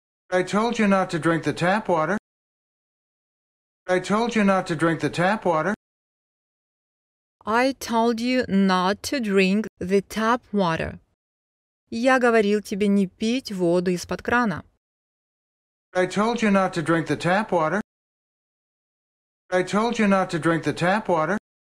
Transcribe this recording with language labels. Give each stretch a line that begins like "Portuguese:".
English: I told you not to drink the tap water. I told you not to drink the tap water. I told you not to drink the tap water.
Russian: Я говорил тебе не пить воду из-под крана.
English: I told you not to drink the tap water. I told you not to drink the tap water.